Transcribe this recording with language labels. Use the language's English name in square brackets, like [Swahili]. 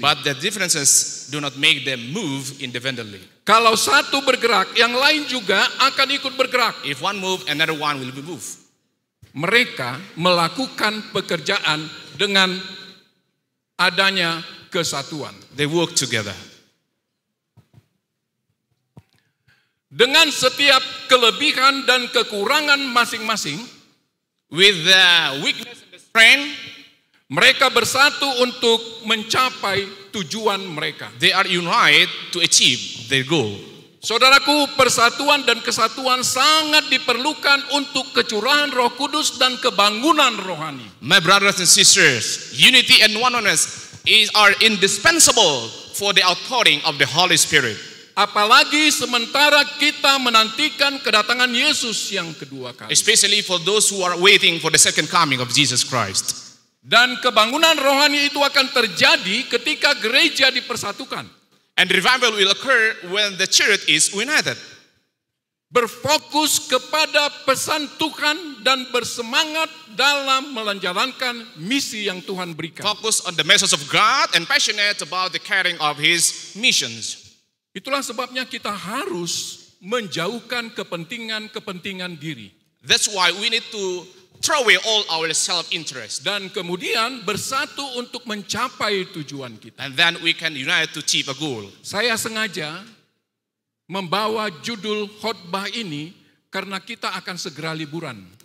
[English] But the differences do not make them move independently. [Indonesian] Kalau satu bergerak, yang lain juga akan ikut bergerak. [English] If one move, another one will be move. [Indonesian] Mereka melakukan pekerjaan dengan adanya kesatuan. [English] They work together. [Indonesian] Dengan setiap kelebihan dan kekurangan masing-masing, [English] with the weakness and the strength, [Indonesian] mereka bersatu untuk mencapai tujuan mereka. [English] They are united to achieve their goal. [Indonesian] Saudaraku, persatuan dan kesatuan sangat diperlukan untuk kecurahan Roh Kudus dan kebangunan rohani. [English] My brothers and sisters, unity and oneness are indispensable for the outpouring of the Holy Spirit. [Indonesian] Apalagi sementara kita menantikan kedatangan Yesus yang kedua kali. [English] Especially for those who are waiting for the second coming of Jesus Christ. [Indonesian] Dan kebangunan rohani itu akan terjadi ketika gereja dipersatukan. [English] And revival will occur when the church is united. [Indonesian] Berfokus kepada pesan Tuhan dan bersemangat dalam menjalankan misi yang Tuhan berikan. [English] Focus on the message of God and passionate about the carrying of his missions. [Indonesian] Itulah sebabnya kita harus menjauhkan kepentingan-kepentingan diri. [English] That's why we need to throw away all our self-interest. [Indonesian] Dan kemudian bersatu untuk mencapai tujuan kita. [English] And then we can unite to achieve a goal. [Indonesian] Saya sengaja membawa judul khotbah ini karena kita akan segera liburan.